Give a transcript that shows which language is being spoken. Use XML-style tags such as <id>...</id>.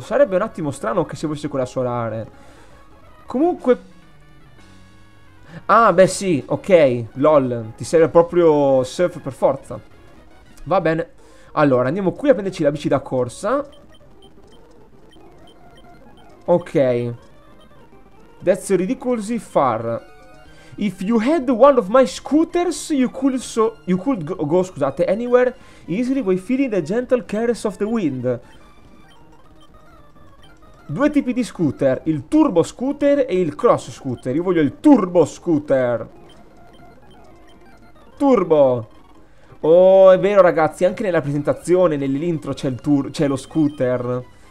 <it>Sarebbe un attimo strano che si evolvesse con la solare. Comunque. Ah, beh sì, ok, lol, ti serve proprio surf per forza. Va bene. Allora, andiamo qui a prenderci la bici da corsa. Ok.</it> <en>That's ridiculously far. If you had one of my scooters, you could go,</en> <it>scusate,</it> <en>anywhere easily by feeling the gentle caress of the wind.</en> <it>Due tipi di scooter, il turbo scooter e il cross scooter. Io voglio il turbo scooter. Turbo. Oh, è vero ragazzi, anche nella presentazione, nell'intro c'è lo scooter.</it>